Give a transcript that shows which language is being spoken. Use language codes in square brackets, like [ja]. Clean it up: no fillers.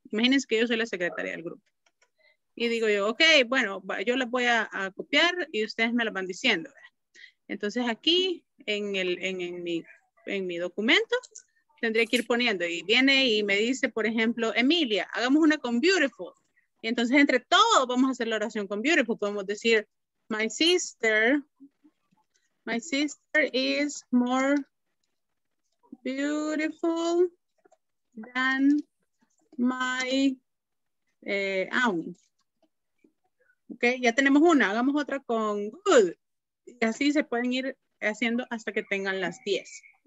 [es] Imagínense que yo soy la secretaria del grupo. Y digo yo, okay, bueno, yo las voy a copiar y ustedes me las van diciendo. Entonces aquí en mi documento tendría que ir poniendo. Y viene y me dice, por ejemplo, Emilia, hagamos una con beautiful. Y entonces entre todos vamos a hacer la oración con beautiful. Podemos decir, [en] My sister is more beautiful than my aunt. [es] Okay, ya tenemos una, hagamos otra con good. Y así se pueden ir haciendo hasta que tengan las 10.